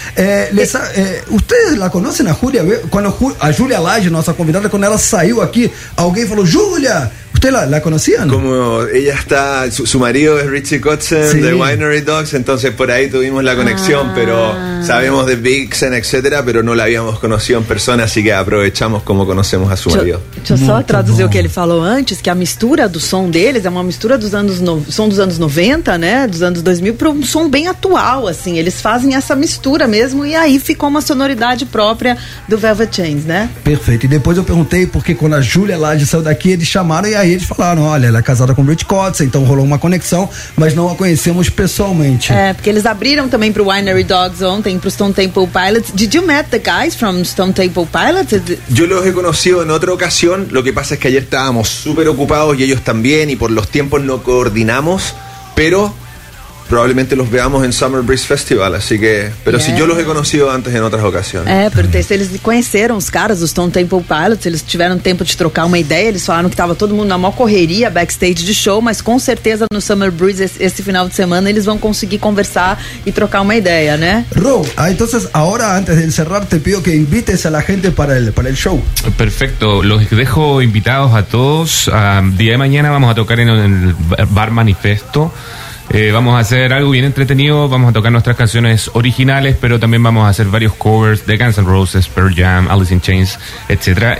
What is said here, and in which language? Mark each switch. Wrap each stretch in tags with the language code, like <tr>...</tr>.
<es>¿Ustedes la conocen a Julia? Cuando a Julia Lage, nuestra convidada, cuando ella salió aquí, alguien</es> <pt>falou:</pt> <es>Julia. ¿Usted la conocían? Como ella está, su marido es Richie Kotzen, sí, de Winery Dogs, entonces por ahí tuvimos la conexión, pero sabemos de Vixen, etcétera, pero no la habíamos conocido en persona, así que aprovechamos como conocemos a su marido.</es> <pt>Deixa só traduzir o que ele falou antes, que a mistura do som deles é uma mistura dos anos, som dos anos 90, né, dos anos 2000, para um som bem atual, assim, eles fazem essa mistura mesmo, e aí ficou uma sonoridade própria do Velvet Chains, né? Perfeito, e depois eu perguntei, porque quando a Julia lá de saiu daqui, eles chamaram, aí eles falaram: olha, ela é casada com o Rich Cotts, então rolou uma conexão, mas não a conhecemos pessoalmente. É, porque eles abriram também pro Winery Dogs ontem, pro Stone Temple Pilots.</pt> <en>Did you meet the guys from Stone Temple Pilots?</en> <es>Yo los he conocido en otra ocasión, lo que pasa es que ayer estábamos súper ocupados y ellos también, y por los tiempos no coordinamos, pero probablemente los veamos en Summer Breeze Festival, así que, pero</es> <en>yeah,</en> <es>sí, yo los he conocido antes en otras ocasiones.</es> <pt>Pero eles conheceram os caras, os Stone Temple Pilots, eles tiveram tempo de trocar uma ideia, eles falaram que tava todo mundo na maior correria backstage de show, mas com certeza no Summer Breeze esse final de semana eles vão conseguir conversar e trocar uma ideia, né?</pt> <es>Ro, entonces ahora antes de encerrar te pido que invites a la gente para el show. Perfecto, los dejo invitados a todos. Día de mañana vamos a tocar en el Bar Manifesto. Vamos a hacer algo bien entretenido, vamos a tocar nuestras canciones originales, pero también vamos a hacer varios covers de Guns N' Roses, Pearl Jam, Alice in Chains, etcétera.</es>